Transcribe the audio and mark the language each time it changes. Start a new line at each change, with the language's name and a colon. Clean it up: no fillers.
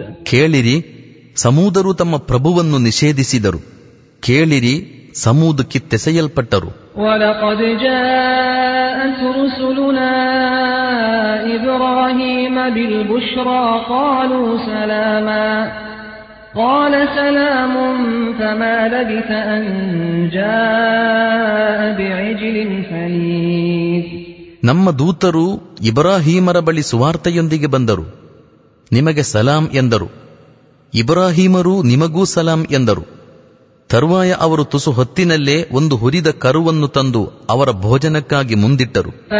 Kannada: ಕೇಳಿರಿ, ಸಮೂದರು ತಮ್ಮ ಪ್ರಭುವನ್ನು ನಿಷೇಧಿಸಿದರು. ಕೇಳಿರಿ, ಸಮೂದ್ ಕಿತ್ತೆಸೆಯಲ್ಪಟ್ಟರು.
Arabic: ولقد جاءت رسلنا إبراهيم بالبشرى قالوا سلاما قال سلام فما لبث أن جاء بعجل حنيذ.
Kannada: ನಮ್ಮ ದೂತರು ಇಬ್ರಾಹಿಮರ ಬಳಿ ಸುವಾರ್ತೆಯೊಂದಿಗೆ ಬಂದರು, ನಿಮಗೆ ಸಲಾಂ ಎಂದರು. ಇಬ್ರಾಹಿಮರು ನಿಮಗೂ ಸಲಾಂ ಎಂದರು. ತರುವಾಯ ಅವರು ತುಸು ಹೊತ್ತಿನಲ್ಲೇ ಒಂದು ಹುರಿದ ಕರುವನ್ನು ತಂದು ಅವರ ಭೋಜನಕ್ಕಾಗಿ ಮುಂದಿಟ್ಟರು.